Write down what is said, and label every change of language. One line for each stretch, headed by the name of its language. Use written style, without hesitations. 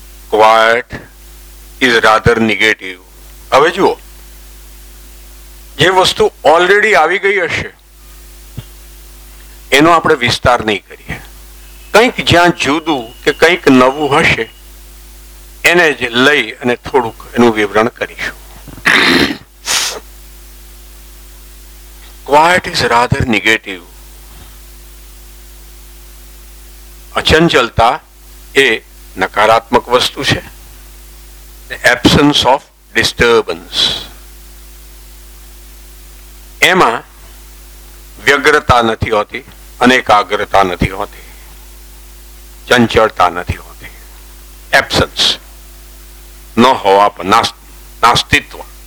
English: quiet is rather negative.
Gujarati: હવે જુઓ, જે વસ્તુ ઓલરેડી આવી ગઈ હશે એનો આપણે વિસ્તાર નહીં કરીએ. કંઈક જ્યાં જુદું કે કંઈક નવું હશે એને જ લઈ અને થોડુંક એનું વિવરણ કરીશું.
English: Quiet is rather negative.
Gujarati: અચંચલતા એ નકારાત્મક વસ્તુ છે.
English: Absence of disturbance.
Gujarati: એમાં વ્યગ્રતા નથી હોતી, અનેકાગ્રતા નથી હોતી, ચંચળતા નથી હોતી. એબ્સન્સ ન હોવા પણ નાસ્તિત્વ.